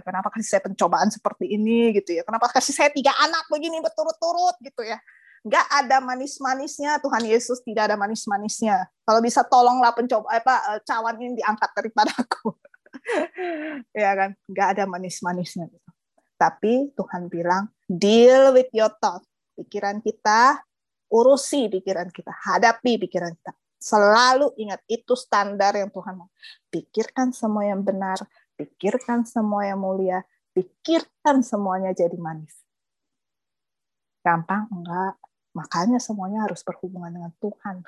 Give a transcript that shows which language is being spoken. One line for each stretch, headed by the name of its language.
Indonesian: Kenapa kasih saya pencobaan seperti ini gitu ya? Kenapa kasih saya 3 anak begini berturut-turut gitu ya? Enggak ada manis-manisnya, Tuhan Yesus tidak ada manis-manisnya. Kalau bisa tolonglah cawan ini diangkat daripada aku. Ya kan? Enggak ada manis-manisnya. Tapi Tuhan bilang,
English: deal with your thought.
Indonesian: Pikiran kita, urusi pikiran kita, hadapi pikiran kita. Selalu ingat, itu standar yang Tuhan mau. Pikirkan semua yang benar, pikirkan semua yang mulia, pikirkan semuanya jadi manis. Gampang? Enggak. Makanya semuanya harus berhubungan dengan Tuhan.